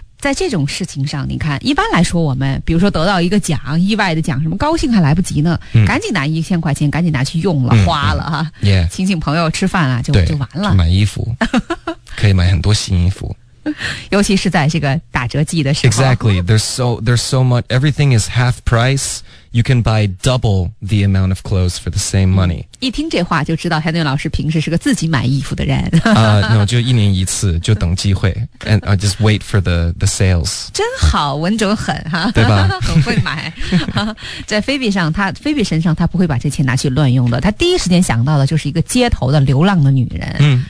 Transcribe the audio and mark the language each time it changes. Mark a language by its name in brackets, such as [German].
[Chinese] 在这种事情上，你看，一般来说，我们比如说得到一个奖，意外的奖，什么高兴还来不及呢，赶紧拿1000块钱，赶紧拿去用了，花了哈、 [English] yeah. [Chinese] 请请朋友吃饭啊，就完了，买衣服，可以买很多新衣服，尤其是在这个打折季的时候。 [English] Exactly, there's so much, everything is half price. You can buy double the amount of clothes for the same money. [Chinese] 一听这话就知道 Henry 老师平时是个自己买衣服的人。 no, 就一年一次，就等机会。 [English] And I just wait for the sales. [Chinese] 真好，稳准狠哈。对吧？很会买。在菲比身上，他不会把这钱拿去乱用的。他第一时间想到的就是一个街头的流浪的女人。